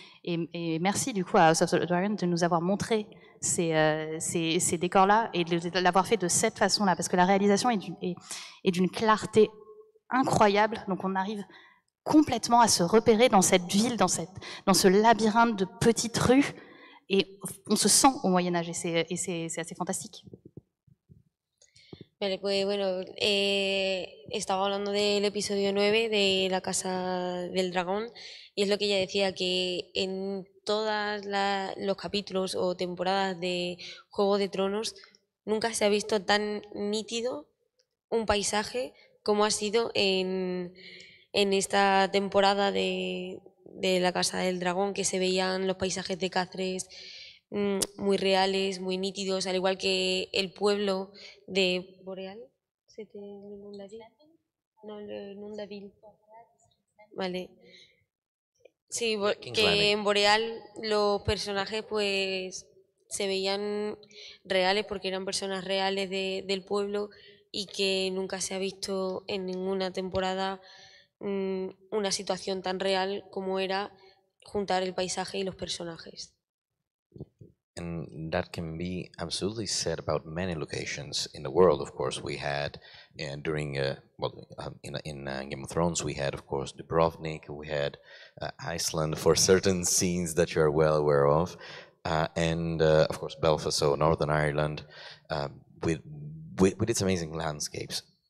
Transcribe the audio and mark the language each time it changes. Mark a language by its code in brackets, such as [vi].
[fr] Et merci, du coup, à House of the Dragon de nous avoir montré ces décors-là et de l'avoir fait de cette façon-là, parce que la réalisation est d'une clarté incroyable. Donc on arrive complètement à se repérer dans cette ville, dans ce labyrinthe de petites rues, et on se sent au Moyen-Âge, et c'est assez fantastique. [es] Vale, pues bueno, estaba hablando del episodio 9 de La Casa del Dragón, y es lo que ella decía, que en todos los capítulos o temporadas de Juego de Tronos nunca se ha visto tan nítido un paisaje como ha sido en esta temporada de La Casa del Dragón, que se veían los paisajes de Cáceres muy reales, muy nítidos, al igual que el pueblo de Port-Réal. ¿Se te inunda bien? No, inunda bien. Vale. Sí, que en Port-Réal los personajes pues se veían reales porque eran personas reales del pueblo, y que nunca se ha visto en ninguna temporada una situación tan real como era juntar el paisaje y los personajes. [en] And that can be absolutely said about many locations in the world. Of course, we had during Game of Thrones, we had, of course, Dubrovnik, we had Iceland for certain scenes that you are well aware of, and of course, Belfast, so Northern Ireland, with its amazing landscapes.